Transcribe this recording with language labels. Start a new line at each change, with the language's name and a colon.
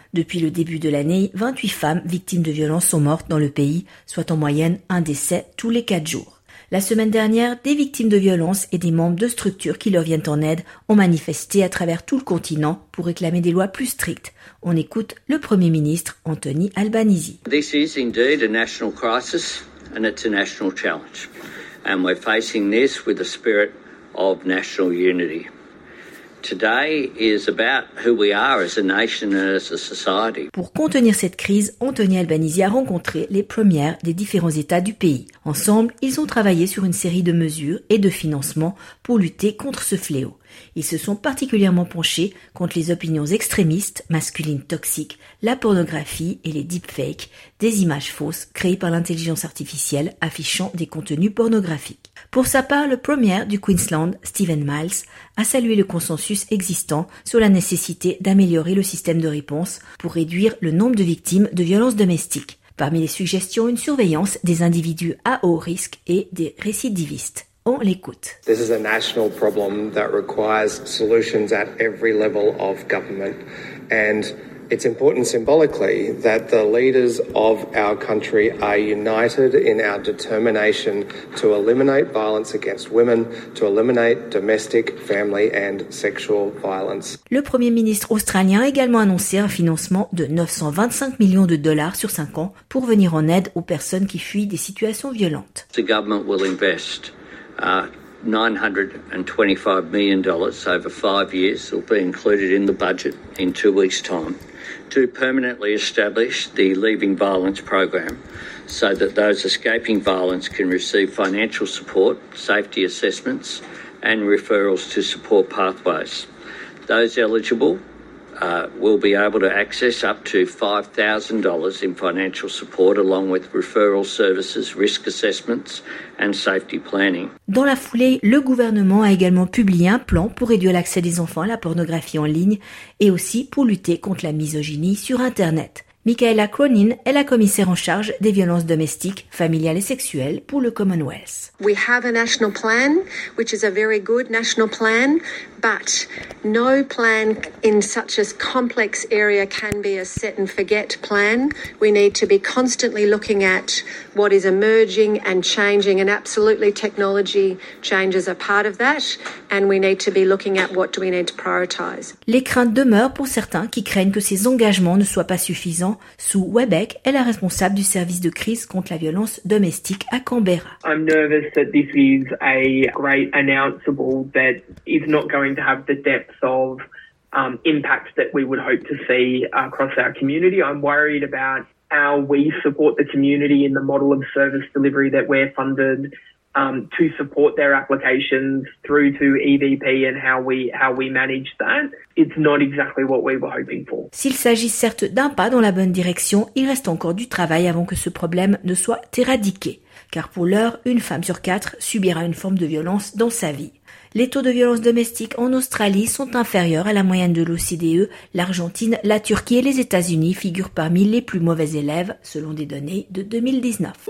French: Depuis le début de l'année, 28 femmes victimes de violences sont mortes dans le pays, soit en moyenne un décès tous les 4 jours. La semaine dernière, des victimes de violences et des membres de structures qui leur viennent en aide ont manifesté à travers tout le continent pour réclamer des lois plus strictes. On écoute le Premier ministre Anthony Albanese.
English: This is indeed a national crisis and it's a national challenge. And we're facing this with the spirit of national unity. Today is about who we are as a nation and as a society.
French: Pour contenir cette crise, Anthony Albanese a rencontré les premières des différents États du pays. Ensemble, ils ont travaillé sur une série de mesures et de financements pour lutter contre ce fléau. Ils se sont particulièrement penchés contre les opinions extrémistes, masculines toxiques, la pornographie et les deepfakes, des images fausses créées par l'intelligence artificielle affichant des contenus pornographiques. Pour sa part, le premier du Queensland, Stephen Miles, a salué le consensus existant sur la nécessité d'améliorer le système de réponse pour réduire le nombre de victimes de violences domestiques. Parmi les suggestions, une surveillance des individus à haut risque et des récidivistes. On l'écoute.
English: This is a national problem that requires solutions at every level of government. And it's important symbolically that the leaders of our country are united in our determination to eliminate violence against women, to eliminate domestic, family and sexual violence.
French: Le Premier ministre australien a également annoncé un financement de 925 millions de dollars sur 5 ans pour venir en aide aux personnes qui fuient des situations violentes.
English: The government will invest $925 million over 5 years will be included in the budget in 2 weeks' time to permanently establish the Leaving Violence program so that those escaping violence can receive financial support, safety assessments and referrals to support pathways. Those eligible will be able to access up to $5,000 in financial support along with referral services, risk assessments and safety planning.
French: Dans la foulée, le gouvernement a également publié un plan pour réduire l'accès des enfants à la pornographie en ligne et aussi pour lutter contre la misogynie sur Internet. Michaela Cronin est la commissaire en charge des violences domestiques, familiales et sexuelles pour le Commonwealth.
English: We have a national plan, which is a very good national plan, but no plan in such a complex area can be a set and forget plan. We need to be constantly looking at what is emerging and changing, and absolutely technology changes are part of that, and we need to be looking at what do we need to prioritize.
French: Les craintes demeurent pour certains qui craignent que ces engagements ne soient pas suffisants. Sue Webeck est la responsable du service de crise contre la violence domestique à Canberra.
English: I'm nervous that this is a great announceable that is not going to have the depth of impact that we would hope to see across our community. I'm worried about how we support the community in the model of service delivery that we're funded to support their applications through to EVP and how we manage that. It's not exactly what we were hoping for.
French: S'il s'agit certes d'un pas dans la bonne direction, il reste encore du travail avant que ce problème ne soit éradiqué. Car pour l'heure, une femme sur quatre subira une forme de violence dans sa vie. Les taux de violence domestique en Australie sont inférieurs à la moyenne de l'OCDE. L'Argentine, la Turquie et les États-Unis figurent parmi les plus mauvais élèves, selon des données de 2019.